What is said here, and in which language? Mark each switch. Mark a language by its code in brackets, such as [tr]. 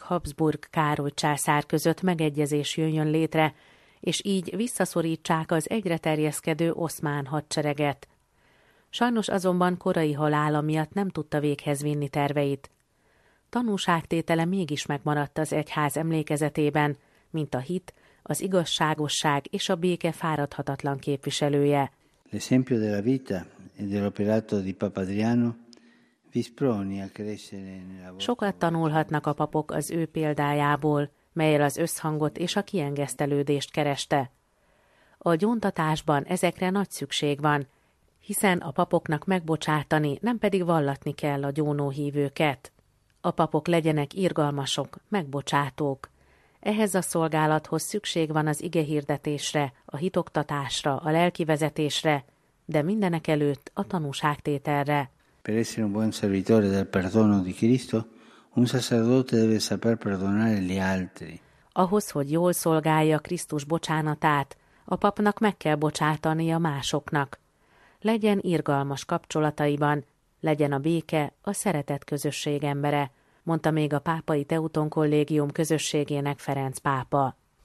[hu] Habsburg Károly császár között megegyezés jöjjön létre, és így visszaszorítsák az egyre terjeszkedő oszmán hadsereget. Sajnos azonban korai halála miatt nem tudta véghez vinni terveit. Tanúságtétele mégis megmaradt az egyház emlékezetében, mint a hit, az igazságosság és a béke fáradhatatlan képviselője. [it] L'esempio della vita e dell'operato di Papa Adriano vi sproni a crescere nella vostra. [hu] Sokat tanulhatnak a papok az ő példájából, melyel az összhangot és a kiengesztelődést kereste. A gyóntatásban ezekre nagy szükség van, hiszen a papoknak megbocsátani, nem pedig vallatni kell a gyónóhívőket. A papok legyenek irgalmasok, megbocsátók. Ehhez a szolgálathoz szükség van az igehirdetésre, a hitoktatásra, a lelki vezetésre, de mindenek előtt a tanúságtételre. [it] Per essere un buon servitore del perdono di Cristo, un sacerdote deve saper perdonare gli altri. [hu] Ahhoz, hogy jól szolgálja Krisztus bocsánatát, a papnak meg kell bocsátani a másoknak. Legyen irgalmas kapcsolataiban, legyen a béke, a szeretet közösség embere, mondta még a pápai Teuton kollégium közösségének Ferenc pápa.